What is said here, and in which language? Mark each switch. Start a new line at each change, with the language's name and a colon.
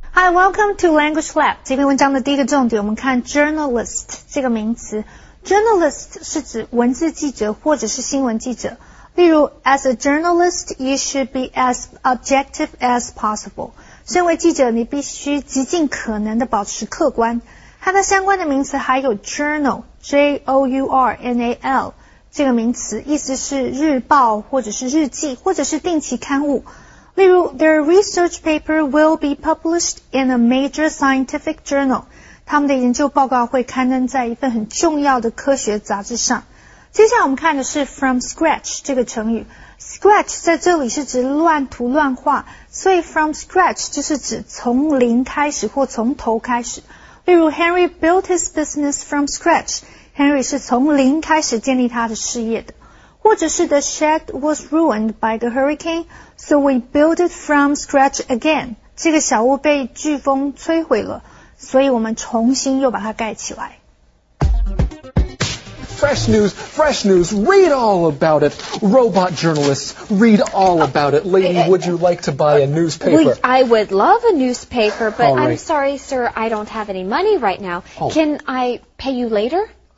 English: Welcome to Language Lab.
Chinese: 这篇文章的第一个重点，我们看 journalist 这个名词。 Journalist 是指文字记者或者是新闻记者。例如
English: ，As a journalist, you should be as objective as possible.
Chinese: 身为记者，你必须极尽可能的保持客观。和它相关的名词还有 journal, journal 这个名词，意思是日报或者是日记或者是定期刊物。例如
English: ,their research paper will be published in a major scientific journal.
Chinese: 他们的研究报告会刊登在一份很重要的科学杂志上。接下来我们看的是 from scratch 这个成语。Scratch 在这里是指乱涂乱画，所以 from scratch 就是指从零开始或从头开始。例如 ,
English: Henry built his business from scratch.
Chinese: Henry 是从零开始建立他的事业的。或者是
English: the shed was ruined by the hurricane, so we built it from scratch again.
Chinese: 这个小屋被飓风摧毁了，所以我们重新又把它盖起来。
English: Fresh news, fresh news, read all about it. Robot journalists, read all about it. Lady, would you like to buy a newspaper? Well, I would love a newspaper, but right. I'm sorry, sir, I don't have any money right now. Oh. Can I pay you later?